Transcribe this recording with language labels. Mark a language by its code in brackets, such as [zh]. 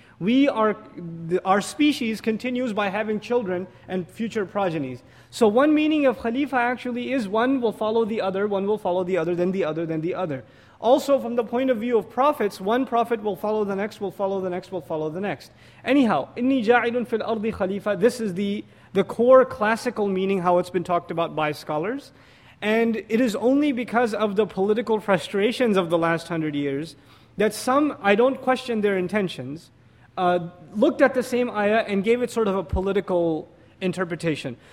[en] We are, our species continues by having children and future progenies. So one meaning of Khalifa actually is one will follow the other, one will follow the other, then the other, then the other. Also from the point of view of prophets, one prophet will follow the next, will follow the next, will follow the next. Anyhow, [ar] إِنِّي جَاعِلٌ فِي الْأَرْضِ خَلِيفَةً. [en] This is the core classical meaning, how it's been talked about by scholars. And it is only because of the political frustrations of the last 100 years that some, I don't question their intentions, looked at the same ayah and gave it sort of a political interpretation.